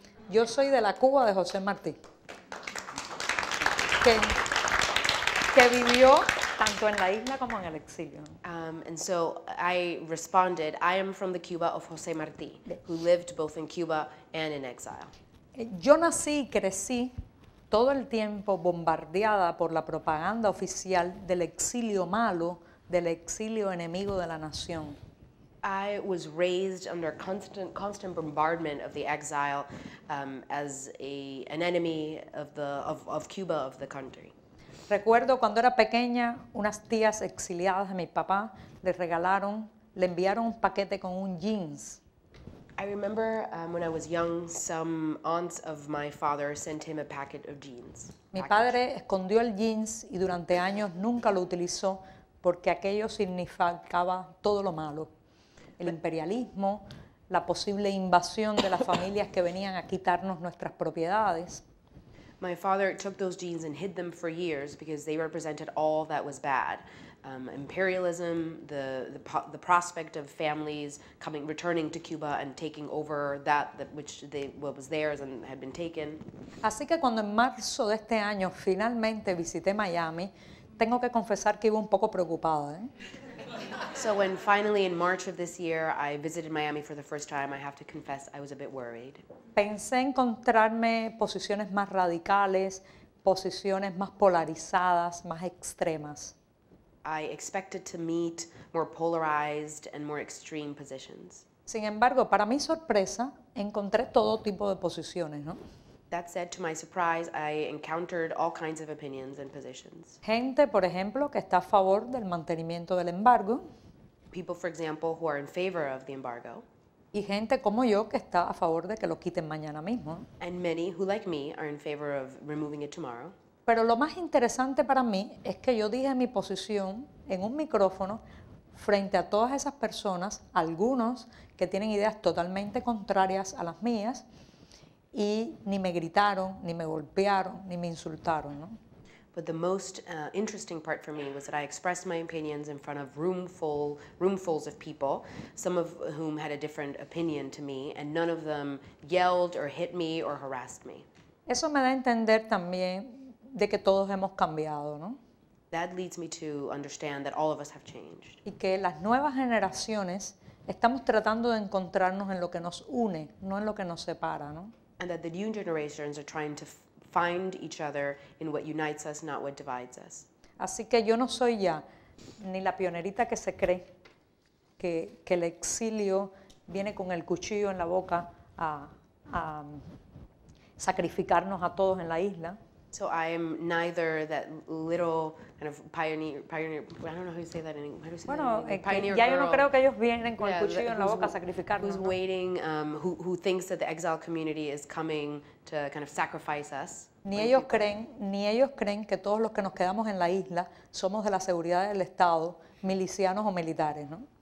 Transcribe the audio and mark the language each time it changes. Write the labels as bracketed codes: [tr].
[es] Yo soy de la Cuba de José Martí. Que vivió tanto en la isla como en el exilio. [en] And so I responded, I am from the Cuba of José Martí, who lived both in Cuba and in exile. [es] Yo nací y crecí todo el tiempo bombardeada por la propaganda oficial del exilio malo, del exilio enemigo de la nación. [en] I was raised under constant bombardment of the exile as an enemy of Cuba, of the country. [es] Recuerdo cuando era pequeña, unas tías exiliadas de mi papá le enviaron un paquete con un jeans. [en] I remember when I was young, some aunts of my father sent him a packet of jeans. [es] Mi padre escondió el jeans y durante años nunca lo utilizó porque aquello significaba todo lo malo. El imperialismo, la posible invasión de las familias que venían a quitarnos nuestras propiedades. [en] My father took those jeans and hid them for years because they represented all that was bad. Imperialism, the prospect of families returning to Cuba and taking over what was theirs and had been taken. [es] Así que cuando en marzo de este año finalmente visité Miami, tengo que confesar que iba un poco preocupada, [en] So when finally in March of this year I visited Miami for the first time, I have to confess I was a bit worried. [es] Pensé encontrarme posiciones más radicales, posiciones más polarizadas, más extremas. [en] I expected to meet more polarized and more extreme positions. [es] Sin embargo, para mi sorpresa, encontré todo tipo de posiciones, ¿no? [en] That said, to my surprise, I encountered all kinds of opinions and positions. [es] Gente, por ejemplo, que está a favor del mantenimiento del embargo. [en] People, for example, who are in favor of the embargo. [es] Y gente como yo que está a favor de que lo quiten mañana mismo. [en] And many who, like me, are in favor of removing it tomorrow. [es] Pero lo más interesante para mí es que yo dije mi posición en un micrófono frente a todas esas personas, algunos que tienen ideas totalmente contrarias a las mías, y ni me gritaron, ni me golpearon, ni me insultaron, ¿no? [en] But the most interesting part for me was that I expressed my opinions in front of roomfuls of people, some of whom had a different opinion to me, and none of them yelled or hit me or harassed me. [es] Eso me da a entender también de que todos hemos cambiado, ¿no? [en] That leads me to understand that all of us have changed. [es] Y que las nuevas generaciones estamos tratando de encontrarnos en lo que nos une, no en lo que nos separa, ¿no? [en] And that the new generations are trying to find each other in what unites us, not what divides us. [es] Así que yo no soy ya ni la pionerita que se cree que el exilio viene con el cuchillo en la boca a sacrificarnos a todos en la isla. [en] So I am neither that little kind of pioneer. I don't know how you say that in English. Who's waiting? Who thinks that the exile community is coming to kind of sacrifice us? [es] Ni ellos creen que todos los que nos quedamos en la isla somos de la seguridad del Estado, milicianos o militares, ¿no?